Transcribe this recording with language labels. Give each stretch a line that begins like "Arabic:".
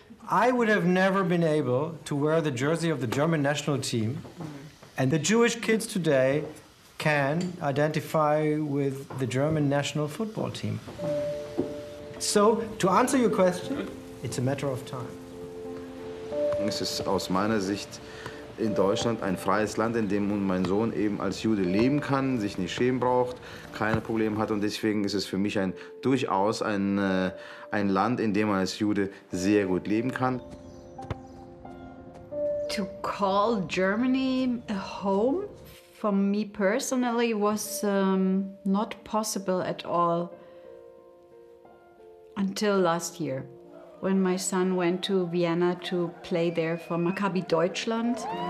English: I would have never been able to wear the jersey of the German national team. And the Jewish kids today can identify with the German national football team. So to answer your question, it's a matter of time. This is
German: aus meiner Sicht in Deutschland ein freies Land, in dem mein Sohn eben als Jude leben kann, sich nicht schämen braucht, keine Probleme hat. Und deswegen ist es für mich durchaus ein Land, in dem man als Jude sehr gut leben kann.
English: To call Germany a home for me personally was not possible at all until last year, when my son went to Vienna to play there for Maccabi Deutschland.